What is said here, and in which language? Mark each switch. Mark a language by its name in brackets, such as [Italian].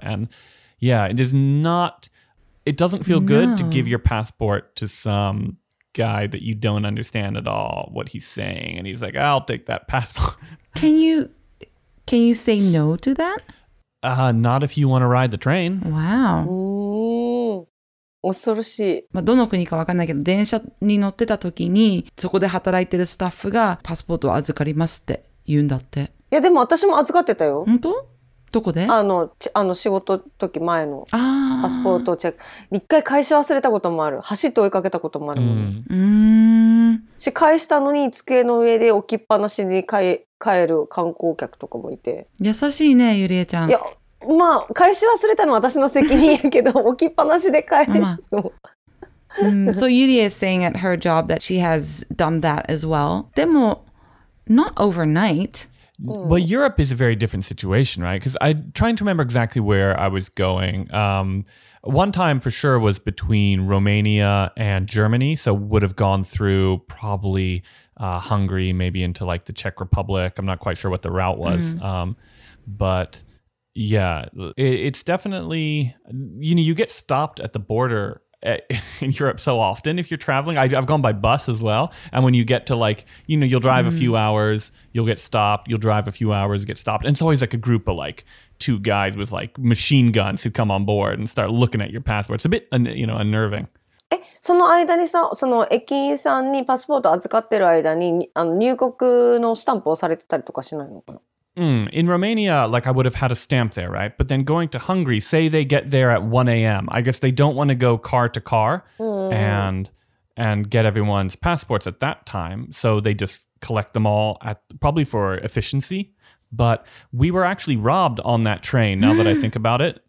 [English] And yeah, it is not... It doesn't feel good to give your passport to some guy that you don't understand at all what he's saying. And he's like, I'll take that passport. Can you say no to that? Not if you want to ride the train. Wow. [Japanese] Ooh. 恐ろしい。まあ、どの国かわかんないけど、電車に乗ってた時に、そこで働いてるスタッフがパスポートを預かりますって言うんだって。いや、でも私も預かってたよ。本当？どこで？あの仕事時前のパスポートをチェック。一回返し忘れたこともある。走って追いかけたこともある。し、返したのに机の上で置きっぱなしに帰る観光客とかもいて。優しいね、ゆりえちゃん。いや、まあ、返し忘れたのは私の責任やけど、置きっぱなしで帰るの。 [English] So Yuri is saying at her job that she has done that as well. [Japanese] でも、 [English] not overnight. But Europe is a very different situation, right? Because I'm trying to remember exactly where I was going. One time for sure was between Romania and Germany. So would have gone through probably Hungary, maybe into like the Czech Republic. I'm not quite sure what the route was. Mm-hmm. But yeah, it's definitely, you know, you get stopped at the border in Europe so often if you're traveling. I've gone by bus as well. And when you get to like, you know, you'll drive a few hours, you'll get stopped, you'll drive a few hours, get stopped. And it's always like a group of like two guys with like machine guns who come on board and start looking at your passport. It's a bit, you know, unnerving. [Japanese] その間にさ、その駅員さんにパスポート預かってる間に、あの入国のスタンプをされてたりとかしないのかな？ [English] In Romania, like I would have had a stamp there, right? But then going to Hungary, say they get there at 1 a.m. I guess they don't want to go car to car and get everyone's passports at that time. So they just collect them all at probably for efficiency. But we were actually robbed on that train now that I think about it.